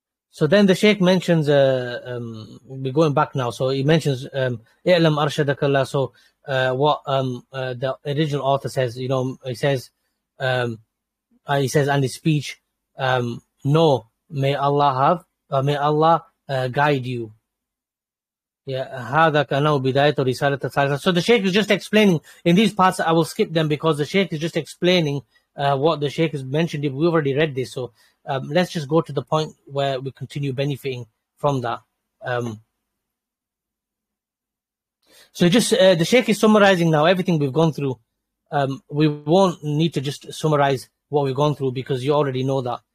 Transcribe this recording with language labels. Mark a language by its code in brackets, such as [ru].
[en] So then the Shaykh mentions, we're going back now, so he mentions, [ar] I'lam arshadakallah, [en] so the original author says, you know, he says in his speech, know, may Allah guide you. [ar] Yeah, هذا كان بداية رسالة الثالثة. [en] So the Shaykh is just explaining, in these parts, I will skip them because the Shaykh is just explaining what the Shaykh has mentioned. We've already read this, so let's just go to the point where we continue benefiting from that. So the Shaykh is summarizing now everything we've gone through. We won't need to just summarize what we've gone through because you already know that.